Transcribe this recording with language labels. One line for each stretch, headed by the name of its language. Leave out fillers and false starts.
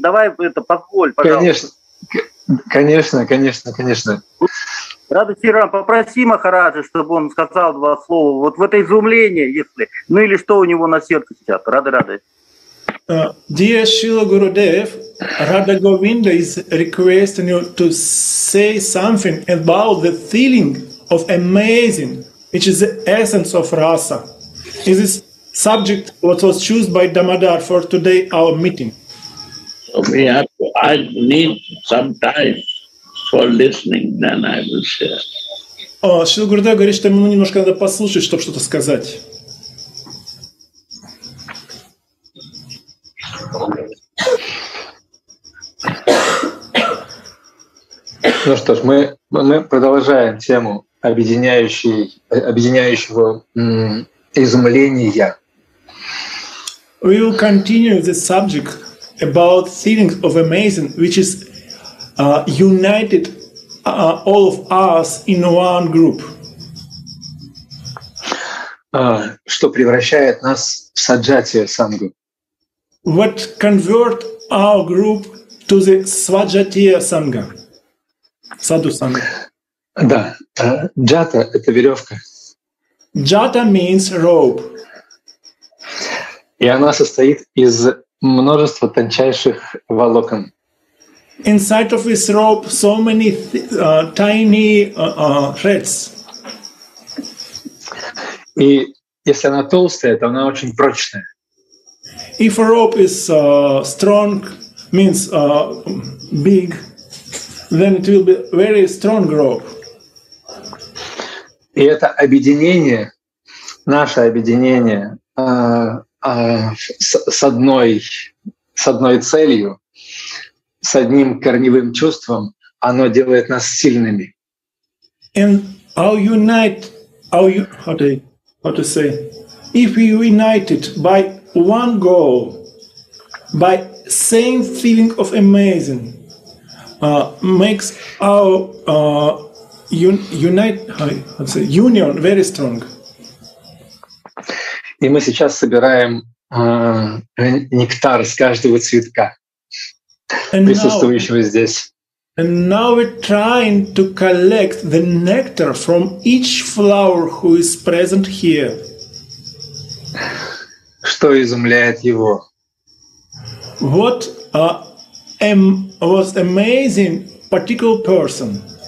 Russian: Давай это позволь, пожалуйста. Конечно. Рада Тиран, попроси Махараджа, чтобы он сказал два слова. Вот в это изумление, если. Ну или что у него на сердце сейчас. Рады.
English: Dear Srila Gurudev, Radha Govinda is requesting you to say something about the feeling of amazing, which is the essence of rasa. Is this subject what was chosen by Damodar for today our meeting? I need some time for listening, then I will share.
Russian: Шрила Гурудев говорит, что ему немножко надо послушать, чтобы что-то сказать. Ну что ж, мы продолжаем тему объединяющего изумления.
English: We will continue the subject about feelings of amazing, which is united all of us in one group.
Russian: Что превращает нас в саджатия сангу?
English: What convert our group to the свадхатия санга? Саду санга.
Russian: Да, джата — это веревка.
English: Джата means rope.
Russian: И она состоит из множества тончайших волокон.
English: Inside of this rope so many tiny threads.
Russian: И если она толстая, то она очень прочная.
English: If a rope is strong, means big, then it will be very strong rope.
Russian: И это объединение, наше объединение с одной целью, с одним корневым чувством, оно делает нас сильными.
English: And our unite, our how to say, if we united by one goal, by same feeling of amazing, makes our union very strong.
Russian: И мы сейчас собираем нектар с каждого цветка, присутствующего здесь.
English: And now we're trying to collect the nectar from each flower who is present here.
Russian: Что изумляет его?
English: What was amazing particular person?